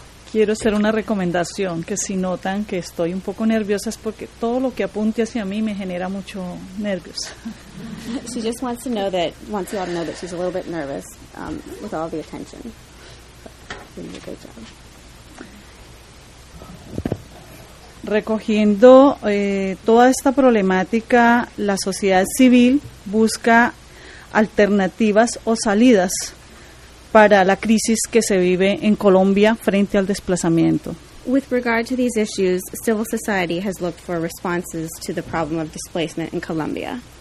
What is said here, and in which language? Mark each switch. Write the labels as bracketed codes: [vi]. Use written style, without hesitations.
[es] Quiero hacer una recomendación, que si notan que estoy un poco nerviosa es porque todo lo que apunte hacia mí me genera mucho nervios. [en] She just wants to know that, wants you all to know that she's a little bit nervous with all the attention. Doing a good job. [es] Recogiendo toda esta problemática, la sociedad civil busca alternativas o salidas para la crisis que se vive en Colombia frente al desplazamiento. [en] With regard to these issues, civil society has looked for responses to the problem of displacement in Colombia.